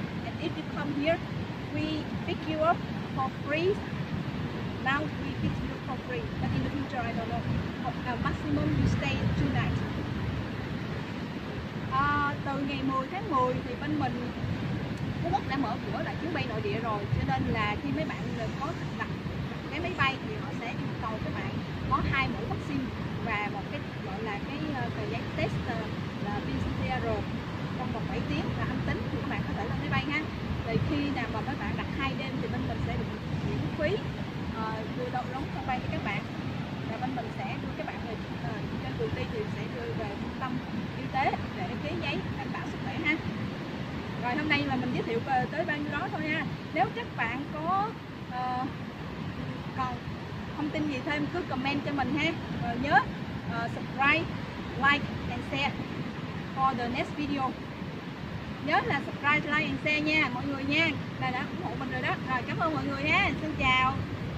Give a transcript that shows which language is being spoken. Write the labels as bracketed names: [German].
[English] And if you come here, we pick you up for free. Now we pick you up for free, but in the future, I don't know. Maximum, you stay 2 nights. [Vietnamese] Từ ngày 10 tháng 10 thì bên mình Phú Quốc đã mở cửa lại chuyến bay nội địa rồi, cho nên là khi mấy bạn có đặt cái máy bay thì họ sẽ yêu cầu các bạn có 2 mũi vaccine và một cái gọi là cái tờ giấy test là PCR trong vòng 7 tiếng là âm tính thì các bạn có thể lên máy bay ha. Thì khi nào mà các bạn đặt 2 đêm thì bên mình sẽ được miễn phí đưa đón đóng sân bay cho các bạn, và bên mình sẽ đưa các bạn về trên đường đi thì sẽ đưa về trung tâm y tế để ký giấy đảm bảo sức khỏe ha. Rồi hôm nay là mình giới thiệu tới bao nhiêu đó thôi nha. Nếu các bạn có còn thông tin gì thêm cứ comment cho mình ha. Nhớ [English] subscribe, like and share for the next video. [Vietnamese] Nhớ là [English] subscribe, like and share [Vietnamese] nha mọi người nha. Là đã ủng hộ mình rồi đó. Rồi cảm ơn mọi người nha. Xin chào.